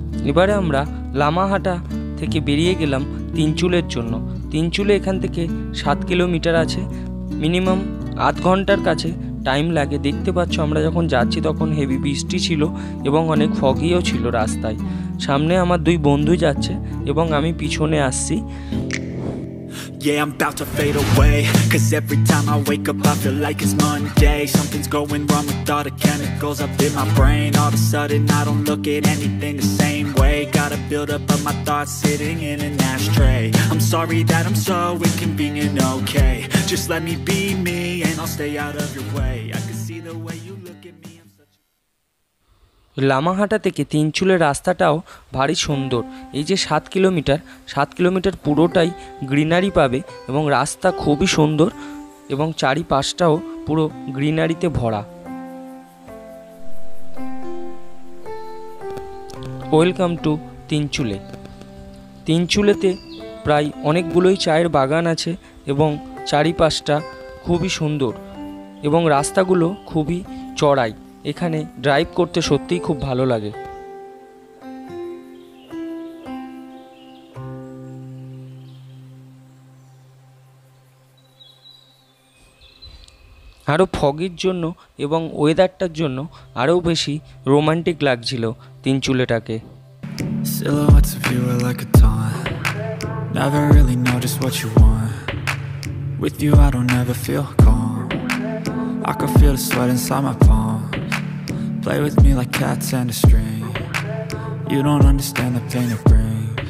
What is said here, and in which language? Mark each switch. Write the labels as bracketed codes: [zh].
[bn] এবারে আমরা লামাহাটা থেকে বেরিয়ে গেলাম তিনচুলের জন্য। তিনচুলে এখান থেকে 7 কিলোমিটার আছে, মিনিমাম আধ ঘন্টার কাছে টাইম লাগে। দেখতে পাচ্ছ আমরা যখন যাচ্ছি তখন হেভি বৃষ্টি ছিল এবং অনেক ফগিও ছিল রাস্তায়। সামনে আমার দুই বন্ধু যাচ্ছে এবং আমি পিছনে আসছি। [en] Yeah, I'm about to fade away, 'cause every time I wake up I feel like it's Monday. Something's going wrong with all the chemicals up in my brain. All of a sudden I don't look at anything the same way. Gotta build up of my thoughts sitting in an ashtray. I'm sorry that I'm so inconvenient, okay. Just let me be me and I'll stay out of your way. I can see the way you look at me. [bn] Lamahatta থেকে তিনচুলের রাস্তাটাও ভারী সুন্দর। এই যে 7 kilometre, 7 kilometre পুরোটাই greenery পাবে এবং রাস্তা খুবই সুন্দর এবং চারিপাশটাও পুরো গ্রিনারিতে ভরা। [en] welcome to [bn] Tinchuley. তিনচুলেতে প্রায় অনেকগুলোই চায়ের বাগান আছে এবং চারিপাশটা খুবই সুন্দর এবং রাস্তাগুলো খুবই চড়াই। এখানে ড্রাইভ করতে সত্যিই খুব ভালো লাগে। আরও ফগের জন্য এবং ওয়েদারটার জন্য আরও বেশি রোমান্টিক লাগছিল তিনচুলেটাকে। [en] Play with me like cats and a string. You don't understand the pain it brings.